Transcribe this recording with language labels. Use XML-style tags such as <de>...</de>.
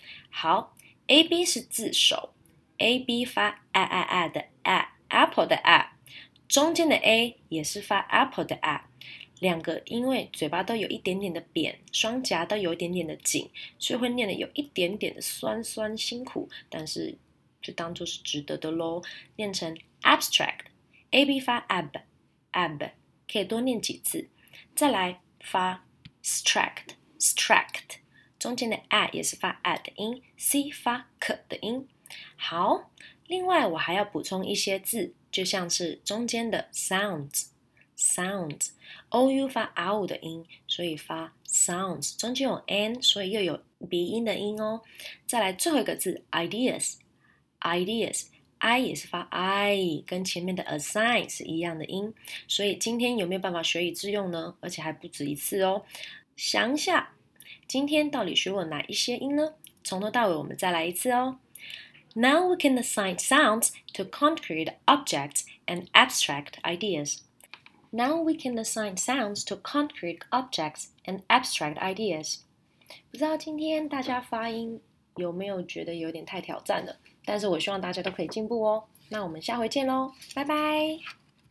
<zh>好，A B 是字首，A B 发 a 的 a，apple 的 a，中间的 a 也是发 apple 的 a。两个，因为嘴巴都有一点点的扁，双颊都有一点点的紧，所以会念得有一点点的酸酸辛苦，但是就当做是值得的咯。念成 abstract，a b 发 ab，ab 可以多念几次，再来发 stract，stract 中间的 a 也是发 a 的音，c 发 k 的音。好，另外我还要补充一些字，就像是中间的 sounds。 Sounds, ou 发 ou 的音，所以发 sounds。中间有 n，所以又有鼻音的音哦。再来最后一个字 ideas, ideas, i 也是发 i，跟前面的 assign 是一样的音。所以今天有没有办法学以致用呢？而且还不止一次哦。想一下，今天到底学过哪一些音呢？从头到尾我们再来一次哦。</zh> <en>Now we can assign sounds to concrete objects and abstract ideas. Now we can assign sounds to concrete objects and abstract ideas.</en> <zh>不知道今天大家发音有没有觉得有点太挑战了，但是我希望大家都可以进步哦。那我们下回见咯，拜拜。</zh>